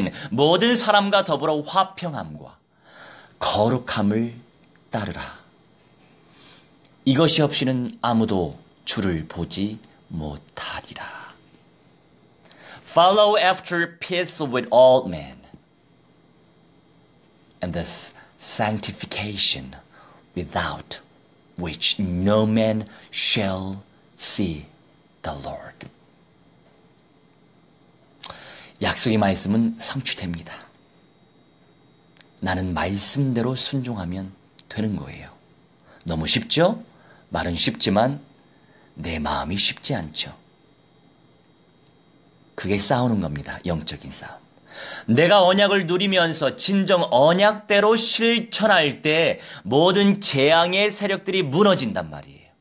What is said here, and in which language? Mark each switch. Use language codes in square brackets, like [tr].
[ko] 모든 사람과 더불어 화평함과 거룩함을 따르라. 이것이 없이는 아무도 주를 보지 못하리라. [en] Follow after peace with all men and this sanctification without which no man shall see the Lord. [ko] 약속의 말씀은 성취됩니다. 나는 말씀대로 순종하면 되는 거예요. 너무 쉽죠? 말은 쉽지만 내 마음이 쉽지 않죠. 그게 싸우는 겁니다. 영적인 싸움. 내가 언약을 누리면서 진정 언약대로 실천할 때 모든 재앙의 세력들이 무너진단 말이에요.